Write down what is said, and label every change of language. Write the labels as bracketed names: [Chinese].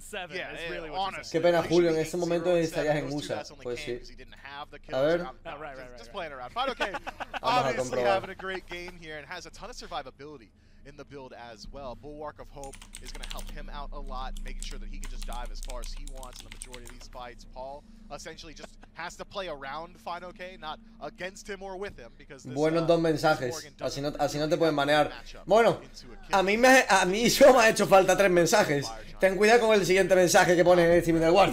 [Spanish] Qué pena, Julio, en este momento estarías en USA. Pues sí. A ver. Vamos a comprobar. [English] Having a great game here and has a ton of survivability in the build as well. Bulwark of Hope is going to help him out a lot, making sure that he can just dive as far as he wants in the majority of these fights. Paul essentially just has to play around Fine OK, not against him or with him, because this, [Spanish] buenos dos mensajes. Así no te pueden banear. Bueno, a mí solo me ha hecho falta tres mensajes. Ten cuidado con el siguiente mensaje que pone en Civil War.